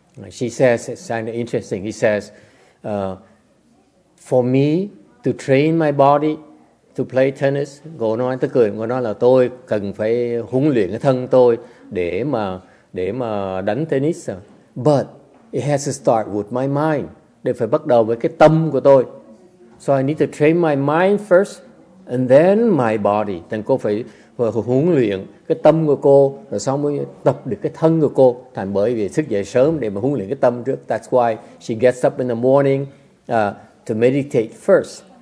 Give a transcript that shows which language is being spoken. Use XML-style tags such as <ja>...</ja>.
<en>She says it sounds interesting. He says, for me to train my body to play tennis,</en> <vi>cô nói tức cười, cô nói là tôi cần phải huấn luyện cái thân tôi để mà đánh tennis.</vi> <en>But it has to start with my mind.</en> <vi>Để phải bắt đầu với cái tâm của tôi.</vi> <en>So I need to train my mind first and then my body.</en> <vi>Thành cô phải huấn luyện cái tâm của cô rồi sau mới tập được cái thân của cô. Thành bởi vì thức dậy sớm để mà huấn luyện cái tâm trước.</vi> <en>That's why she gets up in the morning to meditate first.</en>